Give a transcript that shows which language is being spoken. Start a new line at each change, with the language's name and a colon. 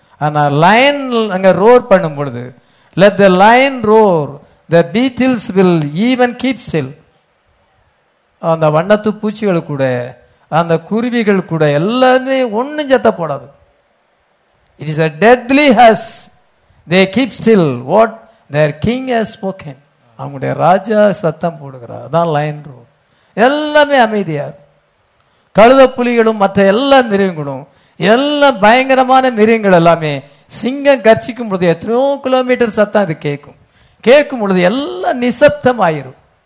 Tamil: ஆனால் லயன் அங்கே ரோர் பண்ணும் பொழுது
English: Let the lion roar, the beetles will even keep still.
Tamil: அந்த வண்ணத்து பூச்சிகள் கூட, அந்த குருவிகள் கூட, எல்லாமே ஒன்றும் சத்த போடாது.
English: It is a deadly hush. They keep still what their king has spoken.
Tamil: அவங்களுடைய ராஜா சத்தம் போடுகிறார், அதான் லயன் ரோர். எல்லாமே அமைதியார். கழுத புலிகளும் மற்ற எல்லா மிருகங்களும், எல்லா பயங்கரமான மிருகங்கள் எல்லாமே சிங்கம் கர்ச்சிக்கும் பொழுது எத்தனையோ கிலோமீட்டர் சத்தம் அது கேட்கும். கேட்கும் பொழுது எல்லாம் நிசப்தம் ஆயிரும்.